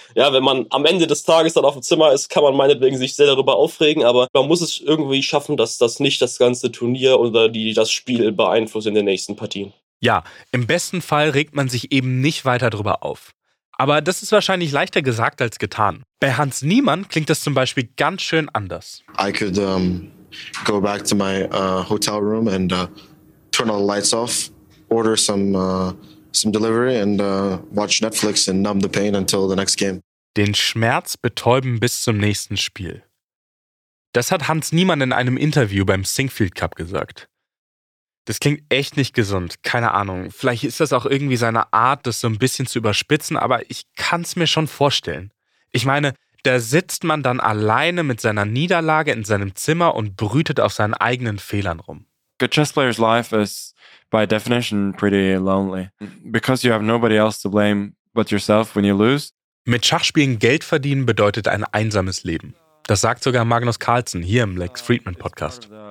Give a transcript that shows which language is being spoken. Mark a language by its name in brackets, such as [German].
[German] Ja, wenn man am Ende des Tages dann auf dem Zimmer ist, kann man meinetwegen sich sehr darüber aufregen, aber man muss es irgendwie schaffen, dass das nicht das ganze Turnier oder das Spiel beeinflusst in den nächsten Partien. Ja, im besten Fall regt man sich eben nicht weiter darüber auf. Aber das ist wahrscheinlich leichter gesagt als getan. Bei Hans Niemann klingt das zum Beispiel ganz schön anders. [English] I could go back to my hotel room and turn all the lights off, order some delivery and watch Netflix and numb the pain until the next game. [German] Den Schmerz betäuben bis zum nächsten Spiel. Das hat Hans Niemann in einem Interview beim Singfield Cup gesagt. Das klingt echt nicht gesund, keine Ahnung. Vielleicht ist das auch irgendwie seine Art, das so ein bisschen zu überspitzen, aber ich kann es mir schon vorstellen. Ich meine, da sitzt man dann alleine mit seiner Niederlage in seinem Zimmer und brütet auf seinen eigenen Fehlern rum. [English] A chess player's life is by definition pretty lonely. Because you have nobody else to blame but yourself when you lose. [German] Mit Schachspielen Geld verdienen bedeutet ein einsames Leben. Das sagt sogar Magnus Carlsen hier im Lex Friedman Podcast.